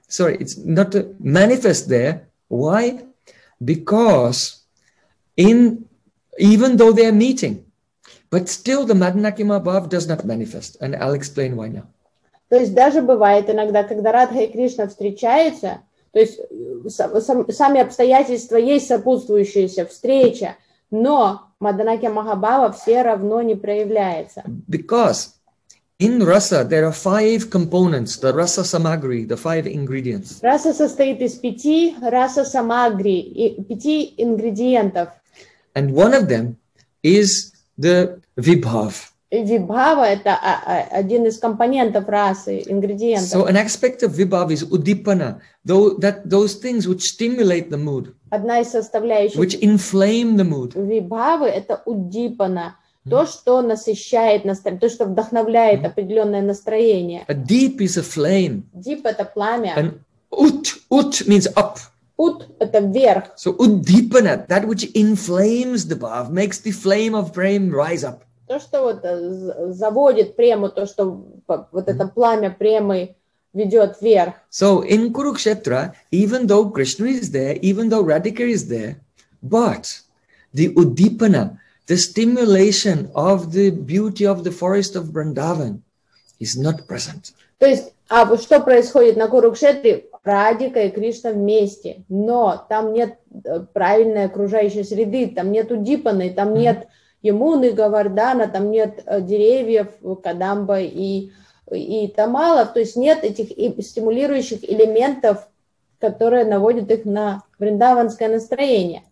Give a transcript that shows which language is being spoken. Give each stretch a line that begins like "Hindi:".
English: Sorry, it's not manifest there. Why? Because in even though they are meeting, but still the Маданакья Махабхава does not manifest. And I'll explain why now.
Russian: То есть даже бывает иногда, когда Радха и Кришна встречаются, то есть сами обстоятельства есть сопутствующаяся встреча, но Маданакья Махабхава все равно не проявляется.
English: Because in rasa there are five components, the rasa samagri, the five ingredients.
Russian: Раса состоит из пяти раса самагри, пяти ингредиентов.
English: And one of them is the vibhav.
Russian: Vibhava – это один из компонентов расы, ингредиентов.
English: So an aspect of vibhava is udipana, those things which stimulate the mood.
Russian: Одна из составляющих.
English: Which inflame the mood.
Russian: Vibhava – это udipana, то, что насыщает настроение, то, что вдохновляет определенное настроение.
English: A deep is a flame.
Russian: Deep — это пламя.
English: And ut means up.
Russian: Ut — это вверх.
English: So uddipana, that which inflames the bhav, makes the flame of Prem rise up.
Russian: То, что вот заводит прему, то, что вот это пламя премы ведет вверх.
English: So in Kurukshetra, even though Krishna is there, even though Radhika is there, but the uddipana, the stimulation of the beauty of the forest of Vrindavan is not present.
Russian: То есть, а вот что происходит на Курукшетре? Радика и Кришна вместе, но там нет правильной окружающей среды, там нет уддипаны, там нет Ямуны, Говардана, там нет деревьев, Кадамба и Тамалов, то есть нет этих стимулирующих элементов, которые наводят их на вриндаванское настроение.